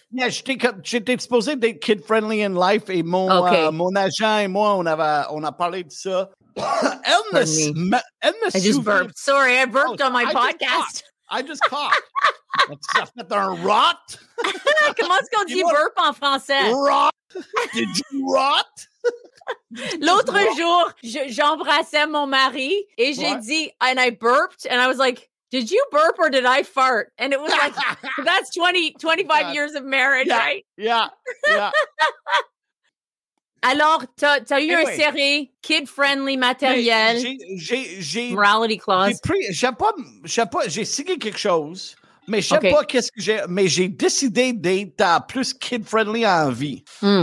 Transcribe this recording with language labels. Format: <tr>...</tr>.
<fr>Mais j'étais supposé d'être kid friendly</fr> <en>in life</en> <fr>et mon agent et moi, on a parlé de ça.</fr> <en>I burped on my podcast. I just coughed.</en> <fr>Ça fait un rot. Comment est-ce qu'on dit burp en français?</fr> <en>Rot. Did you rot?</en> <fr>L'autre jour, j'embrassais mon mari et j'ai dit,</fr> <en>and I burped, and I was like, did you burp or did I fart? And it was like, that's 25 years of marriage, right? Yeah.</en> <fr>Alors, t'as eu une série kid-friendly matériel, morality clause. J'ai signé quelque chose, mais je sais pas qu'est-ce que j'ai. Mais j'ai décidé d'être plus kid-friendly en vie. Mm.</fr>